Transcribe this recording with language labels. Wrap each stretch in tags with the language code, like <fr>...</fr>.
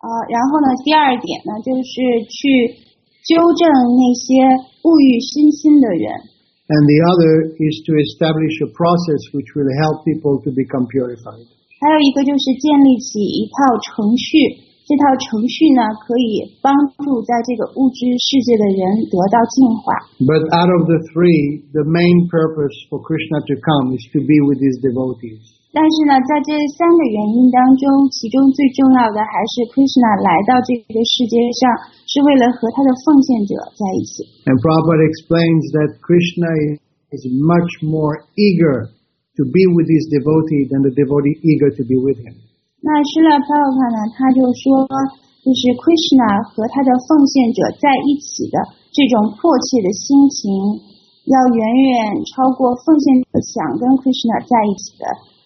<zh>然后呢第二点呢就是去纠正那些物欲熏心的人。</zh> <en>And the other is to establish a process which will help people to become purified.</en> <zh>还有一个就是建立起一套程序这套程序呢，可以帮助在这个物质世界的人得到净化。</zh> <en>But out of the three, the main purpose for Krishna to come is to be with his devotees.</en> <zh>但是呢，在这三个原因当中，其中最重要的还是 Krishna 来到这个世界上，是为了和他的奉献者在一起。</zh> <en>And Prabhupada explains that Krishna is much more eager to be with his devotee than the devotee eager to be with him.</en> <zh>那施拉帕拉帕呢他就说就是 Krishna 和他的奉献者在一起的这种迫切的心情要远远超过奉献者想跟 Krishna 在一起的。</zh>